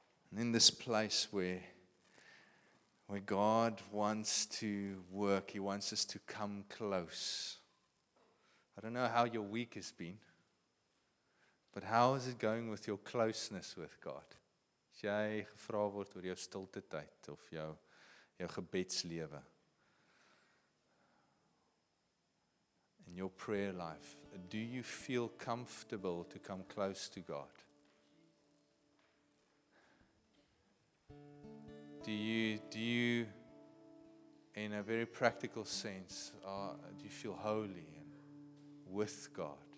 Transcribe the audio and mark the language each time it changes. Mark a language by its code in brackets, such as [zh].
[en] And in this place where God wants to work, He wants us to come close. I don't know how your week has been, but how is it going with your closeness with God? [af] As jy gevra word oor jou stilte tyd of jou gebedslewe. [en] In your prayer life, do you feel comfortable to come close to God? Do you, in a very practical sense, do you feel holy and with God?